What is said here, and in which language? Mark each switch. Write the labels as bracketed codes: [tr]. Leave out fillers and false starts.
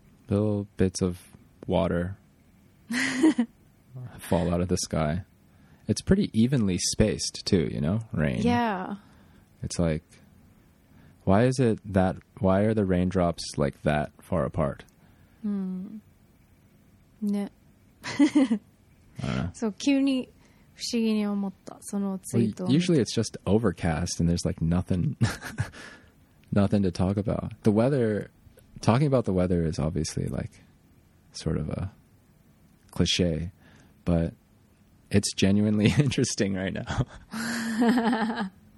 [en] Little bits of water fall out of the sky. It's pretty evenly spaced too, you know, rain. Yeah. It's like, why are the raindrops like that far apart? [ja] ね。 [en] I don't know. [ja] そう、急に不思議に思った、そのツイートを。 [en] Usually it's just overcast and there's like nothing to talk about. The weather... Talking about the weather is obviously like sort of a cliche, but it's genuinely interesting right now.